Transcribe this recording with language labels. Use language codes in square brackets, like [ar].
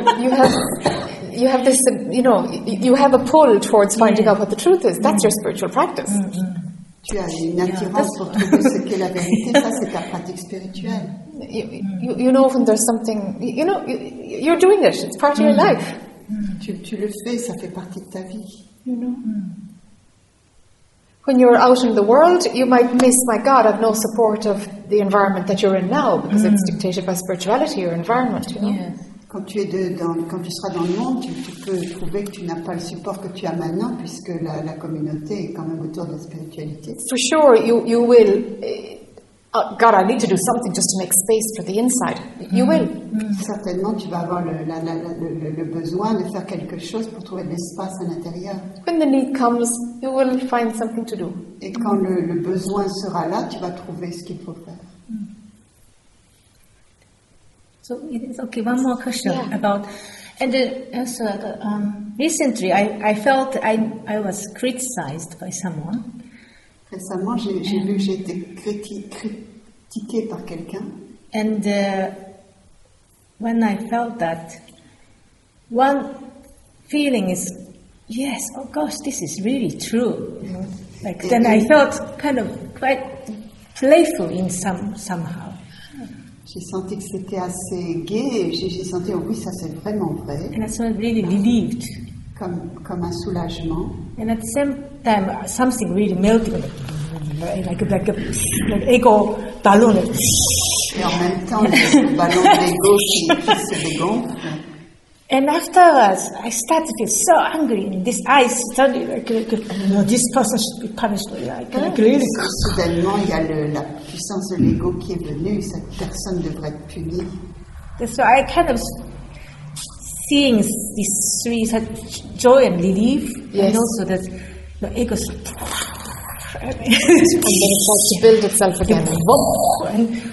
[en] you have a pull towards finding out what the truth is. That's your spiritual practice. [fr] Tu as une attirance pour trouver ce qu'est la vérité. Ça c'est ta pratique spirituelle. [en] You know when there's something you're doing it. It's part of your life. [fr] Tu le fais, ça fait partie de ta vie. [en] When you're out in the world, you might miss. My God, I've no support of the environment that you're in now because it's dictated by spirituality or environment. [fr] Quand tu es quand tu seras dans le monde, tu peux trouver que tu n'as pas le support que tu as maintenant puisque la communauté est quand même autour de la spiritualité. [en] For sure, you will. God, I need to do something just to make space for the inside. You will. [fr] Certainement, tu vas avoir le besoin de faire quelque chose pour trouver de l'espace à l'intérieur. [en] When the need comes, you will find something to do. [fr] Et quand le besoin sera là, tu vas trouver ce qu'il faut faire. [en] So, it is okay, one more question about And also, recently, I felt I was criticized by someone. [fr] Récemment, j'ai vu que j'étais critiquée par quelqu'un. [en] And when I felt that, one feeling is, yes, oh gosh, this is really true. Mm-hmm. Like, then I felt kind of quite playful in somehow. [fr] J'ai senti que c'était assez gai et j'ai senti, oh oui, ça c'est vraiment vrai. [en] And I felt really relieved. [fr] Comme un soulagement. [en] And at the same time, something really melted. Like ego balloon. [fr] Et en même temps, le ballon d'ego qui se dégonfle. [en] And afterwards, I started to feel so angry. And this eye suddenly, this person should be punished. [fr] Soudainement, il y a la puissance de l'ego qui est venue. Cette personne devrait être punie. [en] So I kind of seeing these three, that joy and relief, yes. And also that the ego. And then it starts to build itself again.